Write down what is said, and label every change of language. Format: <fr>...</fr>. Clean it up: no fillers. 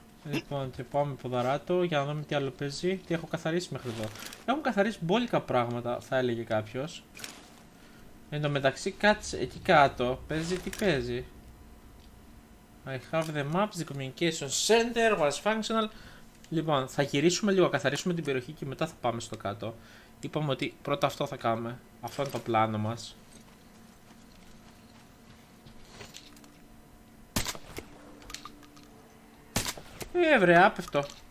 <el>Λοιπόν, και πάμε ποδαράτο για να δούμε τι άλλο παίζει. Τι έχω καθαρίσει μέχρι εδώ. Έχω καθαρίσει μπόλικα πράγματα, θα έλεγε κάποιος. Εν τω μεταξύ, κάτσε εκεί κάτω. Παίζει, τι παίζει.</el> <en>I have the maps, the communication center was functional.</en> <el>Λοιπόν, θα γυρίσουμε λίγο, καθαρίσουμε την περιοχή και μετά θα πάμε στο κάτω. Είπαμε ότι πρώτα αυτό θα κάνουμε. Αυτό είναι το πλάνο μας. Βρε, άπευτο.</el>